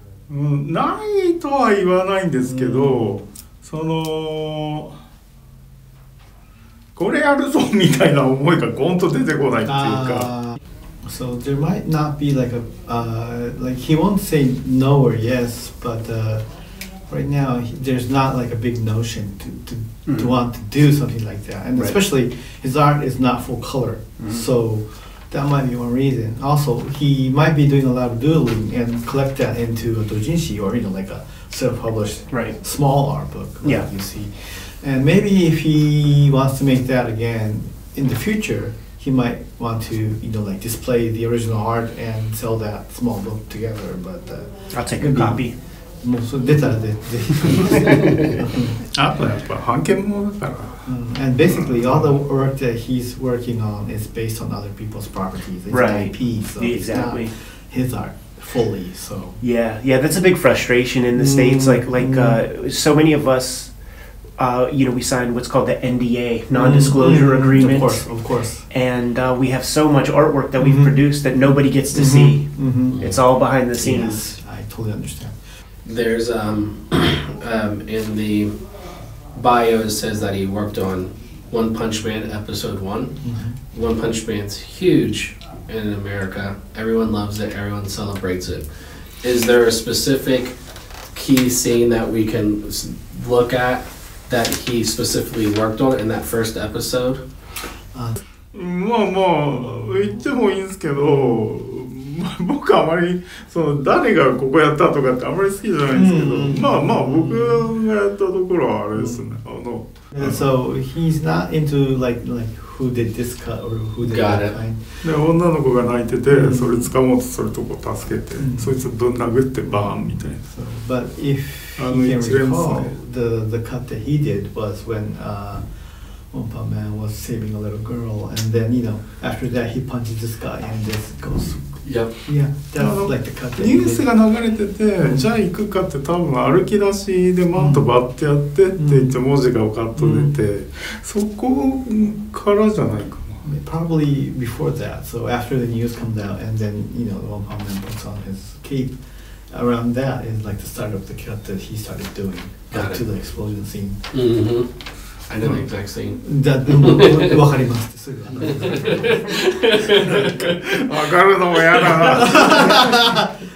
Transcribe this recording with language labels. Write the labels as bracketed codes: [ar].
[ja] ないとは言わないんですけど、そのこれやるぞみたいな思いがゴンと出てこないっていうか。 [en] So there might not be like a like he won't say no or yes, but right now there's not like a big notion to want to do something like that. And especially his art is not full color, so that might be one reason. Also, he might be doing a lot of doodling and collect that into a doujinshi or, you know, like a self-published small art book, like you see. And maybe if he wants to make that again in the future, he might want to, you know, like display the original art and sell that small book together. But I'll take a copy. [ja] もうそれ出たら出て。あとやっぱ半券もだから。 [en] And basically all the work that he's working on is based on other people's properties. It's right. IP, so exactly. It's not his art fully. So. Yeah, yeah, that's a big frustration in the States. So many of us. You know, we signed what's called the NDA, non-disclosure agreement. Of course. And we have so much artwork that we've produced that nobody gets to see. It's all behind the scenes. Yes, I totally understand. There's in the bio, it says that he worked on One Punch Man episode one. Mm-hmm. One Punch Man's huge in America. Everyone loves it. Everyone celebrates it. Is there a specific key scene that we can look at that he specifically worked on in that first episode? [ja] まあまあ言ってもいいんですけど、僕あまりその誰がここやったとかってあまり好きじゃないんですけど、まあまあ僕がやったところはあれですね。あの、 [en] So he's not into like who did this cut or who did that kind. [ja] で女の子が泣いてて、それ掴もうとするとこ助けて、そいつぶん殴ってバーンみたいな。 [en] But if he can recall, the cut that he did was when Oompa Man was saving a little girl, and then, you know, after that he punches this guy and this goes. Yep. Yeah, that's like the cut that he did. [ja] ニュースが流れてて、じゃあ行くかって多分歩き出しでマットバッてやってって言って文字がカット出て、そこからじゃないかな。 [en] Probably before that, so after the news comes out and then, you know, Oompa Man puts on his cape. Around that is like the start of the cut that he started doing back to the explosion scene. Mm-hmm. I know the exact scene. That the one [ja] わかります。すぐ。わかるのもやだ。